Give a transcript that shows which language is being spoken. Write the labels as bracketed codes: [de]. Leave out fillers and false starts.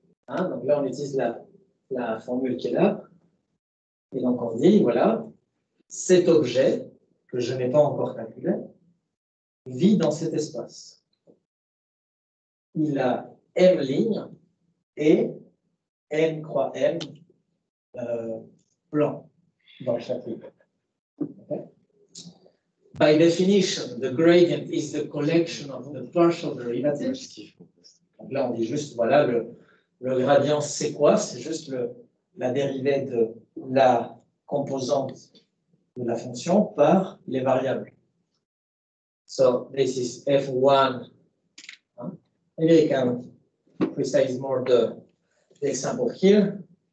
[fr] Donc là, on utilise la formule qui est là. Et donc, on dit, voilà, cet objet, que je n'ai pas encore calculé, vit dans cet espace. Il a m lignes et n croix m plans dans chaque ligne. [en] By definition, the gradient is the collection of the partial derivatives. [fr] Donc là, on dit juste, voilà, le gradient, c'est quoi? C'est juste la dérivée de la composante de la fonction par les variables. [en] So, this is f1. Maybe I can precise more the example here.